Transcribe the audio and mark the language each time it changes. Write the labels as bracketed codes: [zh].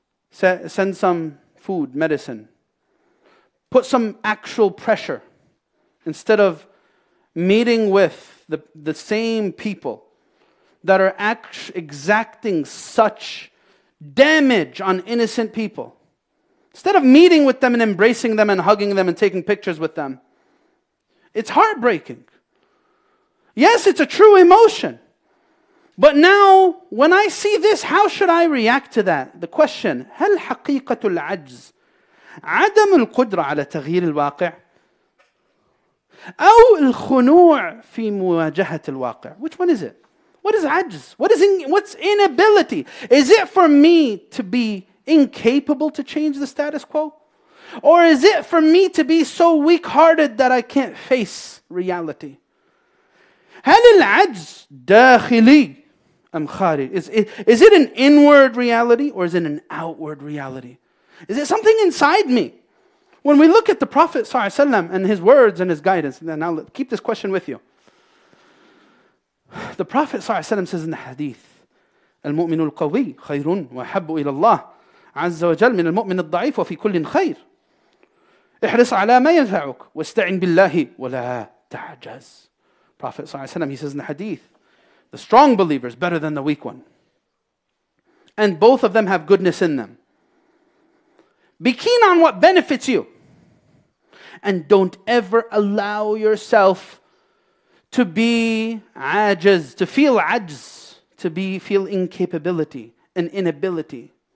[en] Send some food, medicine. Put some actual pressure instead of meeting with the same people that are exacting such damage on innocent people. Instead of meeting with them and embracing them and hugging them and taking pictures with them. It's heartbreaking. Yes, it's a true emotion. But now, when I see this, how should I react to that? The question, [ar] هل حقيقة العجز عدم القدرة على تغيير الواقع أو الخنوع في مواجهة الواقع? [en] Which one is it? What is عجز? What's inability? Is it for me to be incapable to change the status quo? Or is it for me to be so weak-hearted that I can't face reality? [ar] هل العجز داخلي أم خارج? [en] Is it an inward reality or is it an outward reality? Is it something inside me? When we look at the Prophet ﷺ and his words and his guidance, and now keep this question with you. The Prophet ﷺ says in the hadith, [ar] المؤمن القوي خير وحب إلى الله عز وجل من المؤمن الضعيف وفي كل خير احرص على ما ينفعك واستعن بالله ولا تعجز. [en] Prophet ﷺ, he says in the hadith, the strong believer is better than the weak one. And both of them have goodness in them. Be keen on what benefits you. And don't ever allow yourself to be ajiz, to feel ajiz, to feel incapability and inability.